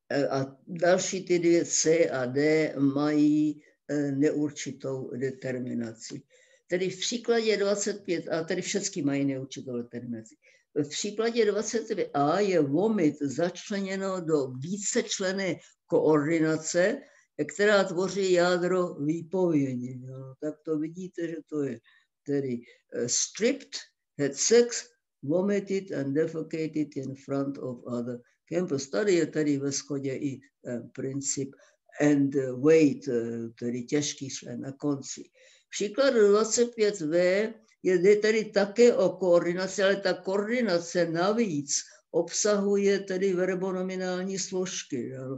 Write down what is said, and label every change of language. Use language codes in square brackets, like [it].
[cs] A další ty dvě C a D mají neurčitou determinaci. Tedy v příkladě 25, a tedy všechny mají neurčitou determinaci. V případě 25a je vomit začleněno do vícečlenné koordinace, která tvoří jádro výpovědi. No, tak to vidíte, že to je tedy [en] stripped, had sex, vomited and defecated in front of other campers. [cs] Tady je tady ve shodě i princip and weight, tedy těžký člen na konci. Příklad 25v je tedy také o koordinaci, ale ta koordinace navíc obsahuje tedy verbonominální složky.